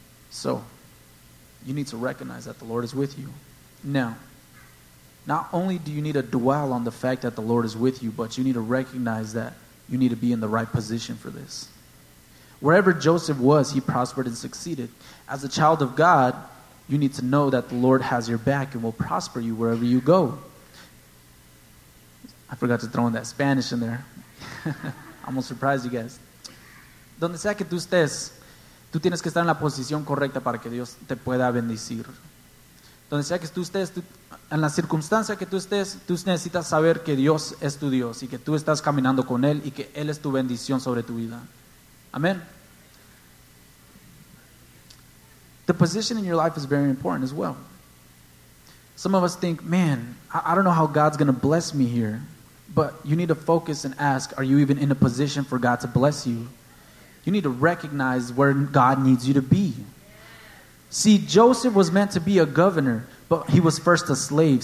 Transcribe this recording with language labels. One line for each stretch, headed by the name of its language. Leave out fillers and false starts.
English: So, you need to recognize that the Lord is with you. Now, not only do you need to dwell on the fact that the Lord is with you, but you need to recognize that you need to be in the right position for this. Wherever Joseph was, he prospered and succeeded. As a child of God, you need to know that the Lord has your back and will prosper you wherever you go. I forgot to throw in that Spanish in there. I almost surprised you guys.
Spanish: Donde sea que tú estés, tú tienes que estar en la posición correcta para que Dios te pueda bendecir. Donde sea que tú estés, en la circunstancia que tú estés, tú necesitas saber que Dios es tu Dios y que tú estás caminando con Él y que Él es tu bendición sobre tu vida. Amen.
English: The position in your life is very important as well. Some of us think, man, I don't know how God's going to bless me here. But you need to focus and ask, are you even in a position for God to bless you? You need to recognize where God needs you to be. See, Joseph was meant to be a governor, but he was first a slave.